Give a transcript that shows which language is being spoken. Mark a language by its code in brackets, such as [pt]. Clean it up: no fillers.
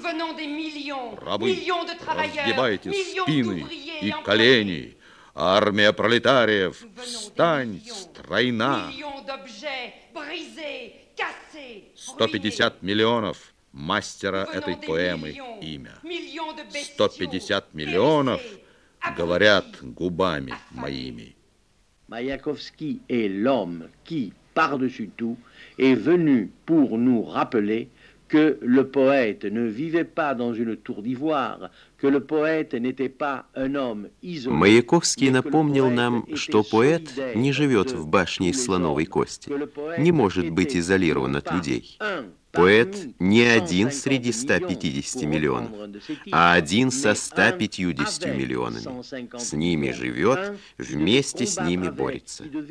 [ru] Рабы, разгибайте спины и колени, армия пролетариев, встань, стройна. 150 миллионов мастера этой поэмы имя. 150 миллионов говорят губами моими. [fr] Маяковский est l'homme qui, par-dessus tout, est venu pour nous rappeler que le poète ne vivait pas dans une tour d'ivoire, que le poète n'était pas un homme isolé. [ru] Маяковский напомнил нам, что поэт не живет в башне из слоновой кости, не может быть изолирован от людей. Поэт не один среди 150 миллионов, а один со 150 миллионами. С ними живет, вместе с ними борется.